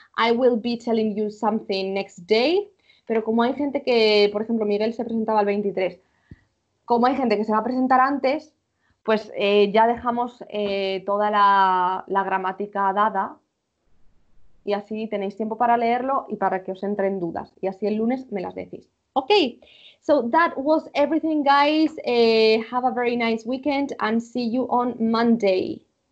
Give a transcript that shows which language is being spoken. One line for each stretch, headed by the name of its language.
English: I will be telling you something next day.
Spanish: Pero como hay gente que, por ejemplo, Miguel se presentaba el 23, como hay gente que se va a presentar antes, pues ya dejamos toda la gramática dada y así tenéis tiempo para leerlo y para que os entren dudas. Y así el lunes me las decís.
English: Ok, so that was everything, guys. Have a very nice weekend and see you on Monday.